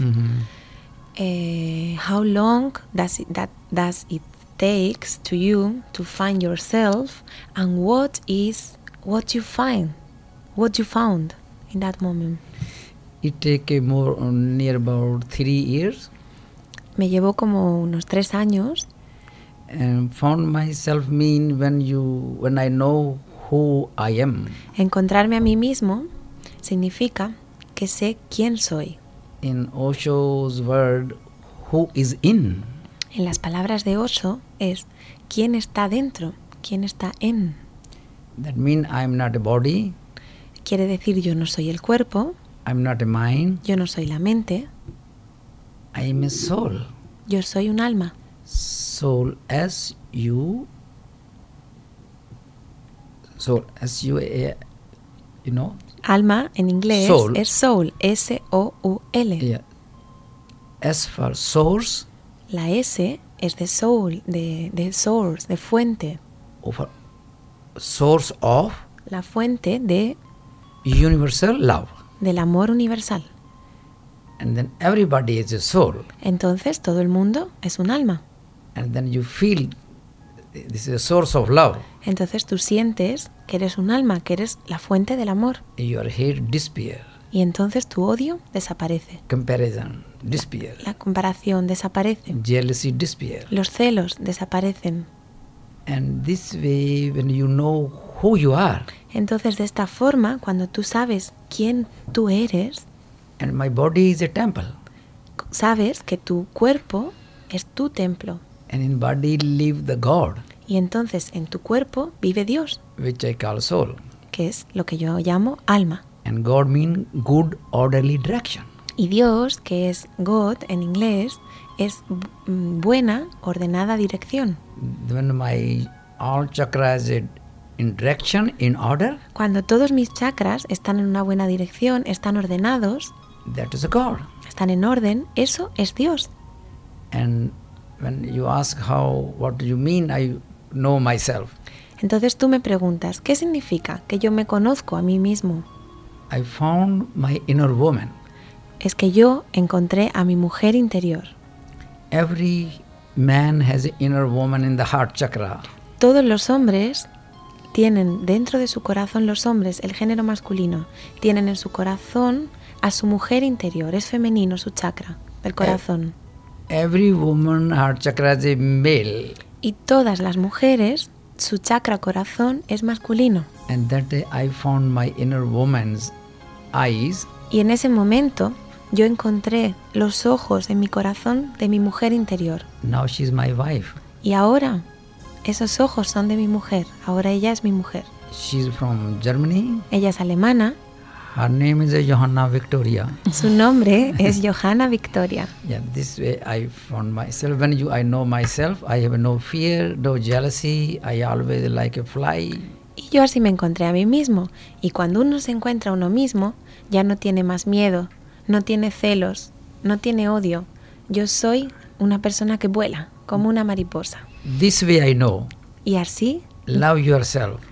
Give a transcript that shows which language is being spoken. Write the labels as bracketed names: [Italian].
[English] Mm-hmm. How long does it takes to you to find yourself, and what you found in that moment? It take more near about 3 years. [Spanish] Me llevó como unos 3 años. [English] And found myself mean when I know who I am. [Spanish] Encontrarme a mí mismo significa que sé quién soy. [English] In Osho's word, who is in. [Spanish] En las palabras de Osho es quién está dentro, quién está en. [English] That means I am not a body. [Spanish] Quiere decir yo no soy el cuerpo. [English] I'm not a mind. [Spanish] Yo no soy la mente. [English] I am a soul. [Spanish] Yo soy un alma. [English] Soul as you. Soul as you, you know. [Spanish] Alma en inglés soul. Es soul, S O U L. [English] Yeah. As for source. [Spanish] La S es de soul, de source, de fuente. [English] Over. Source of. [Spanish] La fuente de. [English] Universal love. [Spanish] Del amor universal. [English] And then everybody is a soul. [Spanish] Entonces todo el mundo es un alma. [English] And then you feel this is a source of love. [Spanish] Entonces tú sientes que eres un alma, que eres la fuente del amor. [English] Your hate disappear. [Spanish] Y entonces tu odio desaparece. [English] Comparison disappear. [Spanish] La comparación desaparece. [English] Jealousy disappear. [Spanish] Los celos desaparecen. [English] And this way, when you know who you are. [Spanish] Entonces de esta forma, cuando tú sabes quién tú eres. [English] And my body is a temple. [Spanish] Sabes que tu cuerpo es tu templo. [English] And in body live the God. [Spanish] Y entonces en tu cuerpo vive Dios. [English] Which I call soul. [Spanish] Que es lo que yo llamo alma. [English] And God means good orderly direction. [Spanish] Y Dios, que es God en inglés, es buena ordenada dirección. [English] When my all chakras are in direction, in order. [Spanish] Cuando todos mis chakras están en una buena dirección, están ordenados. [English] That is a God. [Spanish] Están en orden, eso es Dios. [English] And when you ask how, what do you mean, I know myself. [Spanish] Entonces tú me preguntas, ¿qué significa que yo me conozco a mí mismo? [English] I found my inner woman. [Spanish] Es que yo encontré a mi mujer interior. [English] Every man has an inner woman in the heart chakra. [Spanish] Todos los hombres tienen dentro de su corazón, los hombres, el género masculino, tienen en su corazón a su mujer interior, es femenino su chakra, el corazón. [English] Every woman heart chakra is a male. [Spanish] Y todas las mujeres, su chakra corazón es masculino. [English] And that day I found my inner woman's eyes. [Spanish] Y en ese momento yo encontré los ojos en mi corazón de mi mujer interior. [English] Now she's my wife. [Spanish] Y ahora esos ojos son de mi mujer. Ahora ella es mi mujer. [English] She's from Germany. [Spanish] Ella es alemana. [English] Her name is Johanna Victoria. [Spanish] Su nombre es Johanna Victoria. [English] Yeah, this way I found myself. When you, I know myself, I have no fear, no jealousy. I always like a fly. [Spanish] Y yo así me encontré a mí mismo. Y cuando uno se encuentra a uno mismo, ya no tiene más miedo, no tiene celos, no tiene odio. Yo soy una persona que vuela como una mariposa. [English] This way I know. [Spanish] Y así. [English] Love yourself.